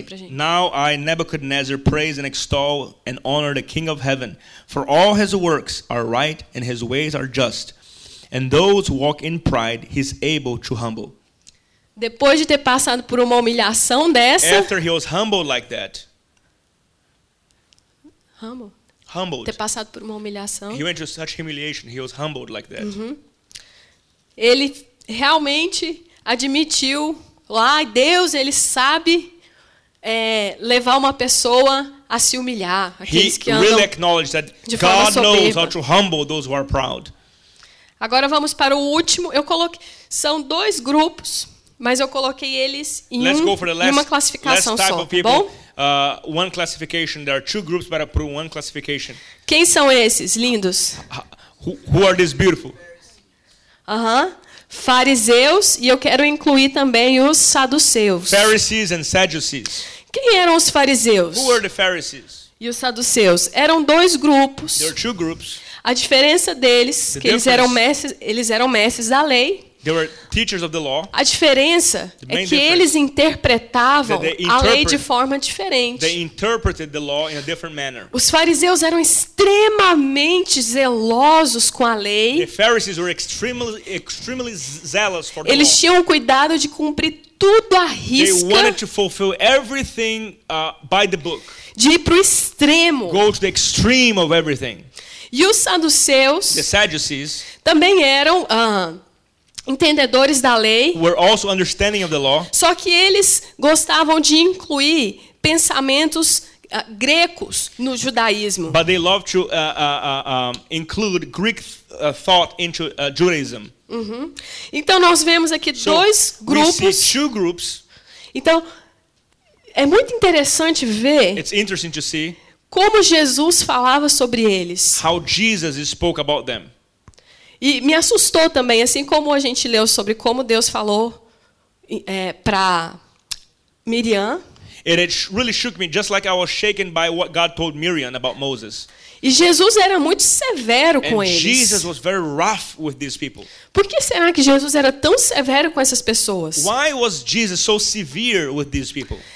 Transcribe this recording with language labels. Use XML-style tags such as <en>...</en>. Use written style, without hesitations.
<en>Now I Nebuchadnezzar praise and extol and honor the King of Heaven, for all his works are right and his ways are just, and those who walk in pride he is able to humble.</en> <pt>Depois de ter passado por uma humilhação dessa,</pt> <en>after he was humbled like that.</en> <pt>Humbled. Ter passado por uma humilhação.</pt> <en>He went through such humiliation, he was humbled like that.</en> <pt>Ele realmente admitiu, Deus, ele sabe levar uma pessoa a se humilhar, aqueles que andam. He</pt> <en>really acknowledged that God knows how to humble those who are proud.</en> <pt>Agora vamos para o último. Eu coloquei, são dois grupos, mas eu coloquei eles em uma classificação só, tá bom?</pt> <en>One classification. There are two groups, but I put one classification.</en> <pt>Quem são esses lindos?</pt> <en>Who are these beautiful?</en> <pt>Fariseus, e eu quero incluir também os saduceus.</pt> <en>Pharisees and Sadducees.</en> <pt>Quem eram os fariseus?</pt> <en>Who were the Pharisees?</en> <pt>E os saduceus. Eram dois grupos.</pt> <en>There are two groups.</en> <pt>A diferença deles, que eles eram mestres da lei.</pt> <en>They were teachers of the law.</en> <pt>A diferença é que eles interpretavam a lei de forma diferente.</pt> <en>They interpreted the law in a different manner.</en> <pt>Os fariseus eram extremamente zelosos com a lei.</pt> <en>The Pharisees were extremely zealous for the law.</en> <pt>Eles tinham cuidado de cumprir tudo à risca.</pt> <en>They wanted to fulfill everything by the book.</en> <pt>De ir pro extremo.</pt> <en>Go to the extreme of everything.</en> <pt>E os saduceus,</pt> <en>the Sadducees,</en> <pt>também eram entendedores da lei.</pt> <en>Were also understanding of the law.</en> <pt>Só que eles gostavam de incluir pensamentos gregos no judaísmo.</pt> <en>But they loved to include Greek thought into Judaism.</en> <pt>Uhum. Então nós vemos aqui dois grupos.</pt> <en>We see two groups.</en> <pt>Então é muito interessante ver.</pt> <en>It's interesting to see.</en> <pt>Como Jesus falava sobre eles.</pt> <en>How Jesus spoke about them.</en> <pt>E me assustou também, assim como a gente leu sobre como Deus falou para Miriam.</pt> <en>It really shook me, just like I was shaken by what God told Miriam about Moses.</en> <pt>E Jesus era muito severo</pt> <en>and</en> <pt>com eles.</pt> <en>Jesus was very rough with these people.</en> <pt>Por que será que Jesus era tão severo com essas pessoas?</pt> <en>Why was Jesus so severe with these people?</en>